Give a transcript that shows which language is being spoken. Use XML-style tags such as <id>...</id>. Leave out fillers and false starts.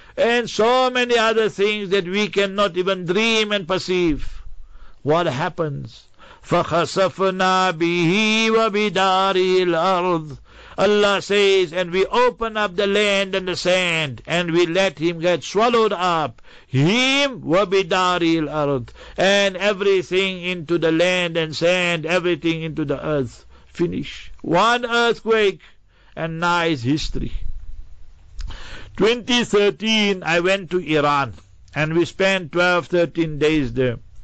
<en>And so many other things that we cannot even dream and perceive. What happens?</en> <ar>فَخَسَفْنَا بِهِ وَبِدَارِ الْأَرْضِ.</ar> <en>Allah says, and we open up the land and the sand, and we let him get swallowed up.</en> <ar>Him وَبِدَارِ الْأَرْضِ.</ar> <en>And everything into the land and sand, everything into the earth. Finish. One earthquake, and now is history. 2013, I went to Iran, and we spent 12, 13 days there.</en>